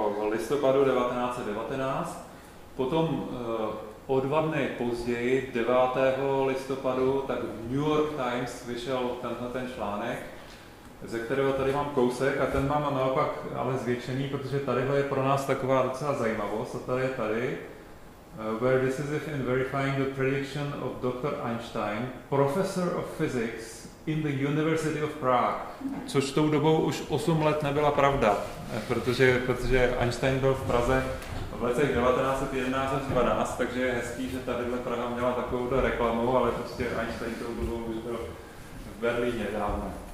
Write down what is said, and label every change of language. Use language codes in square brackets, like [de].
[cs] listopadu 1919. Potom o dva dny později, 9. listopadu, tak v New York Times vyšel tenhle ten článek, ze kterého tady mám kousek a ten mám naopak ale zvětšený, protože tadyhle je pro nás taková docela zajímavost a tady je tady. [en] Where decisive in verifying the prediction of Dr. Einstein, professor of physics in the University of Prague. [cs] Což tou dobou už 8 let nebyla pravda, protože Einstein byl v Praze v letech 1911 až 12, takže je hezký, že tadyhle Praha měla takovouto reklamu, ale prostě Einstein tou dobou už byl v Berlíně dávno.